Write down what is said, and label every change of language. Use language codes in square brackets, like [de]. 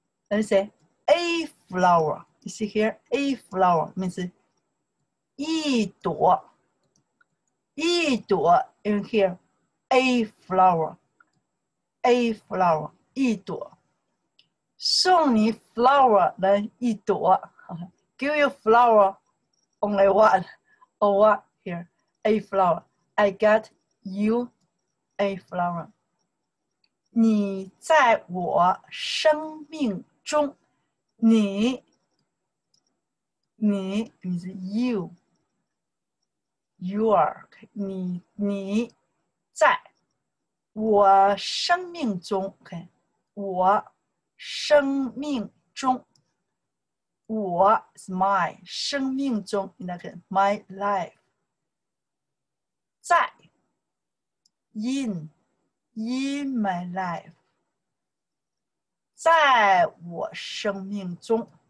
[en] Let me say a flower. You see here? A flower means [zh] 一朵一朵 [en] in here, a flower, 一朵。 [zh] 送你 [en] flower, then 一朵。 Give you flower, only one, or what here, a flower. I got you a flower. [zh] 你在我生命中，你，你 [en] is you. You are, [zh] 你你在我生命中 okay, 我生命中我 is my 生命中 [en] in that my life [zh] 在 [en] in my life [zh] 在我生命中